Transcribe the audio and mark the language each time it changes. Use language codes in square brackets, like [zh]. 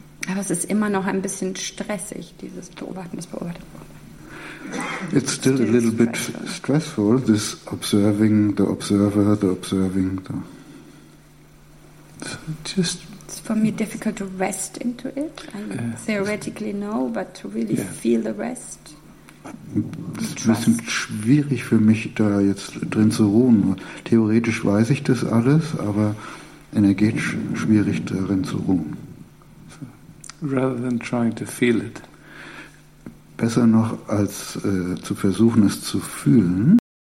[de] Aber es ist immer noch ein bisschen stressig, dieses Beobachten, das Beobachten. [en] It's still a little bit stressful, this observing, the observer, the observing. The... Just it's for me difficult to rest into it. I theoretically know, but to really feel the rest. [de] Es ist ein bisschen schwierig für mich, da jetzt drin zu ruhen. Theoretisch weiß ich das alles, aber energetisch schwierig, darin zu ruhen. [en] Rather than trying to feel it. [de] Besser noch, als zu versuchen, es zu fühlen.